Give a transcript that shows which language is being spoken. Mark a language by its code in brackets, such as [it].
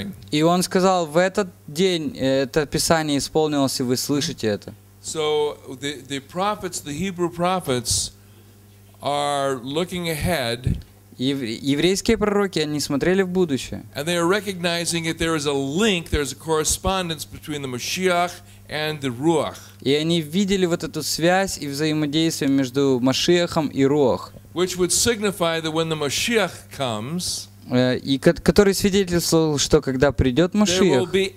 [ru] И он сказал, в этот день это Писание исполнилось, и вы слышите это. [en] So the prophets, the Hebrew prophets, are looking ahead. [ru] Еврейские пророки, они смотрели в будущее. [en] Ruach, [ru] и они видели вот эту связь и взаимодействие между Машиахом и Руах. [en] Which would signify that when the Mashiach comes, [ru] и который свидетельствовал, что когда придет Машиах,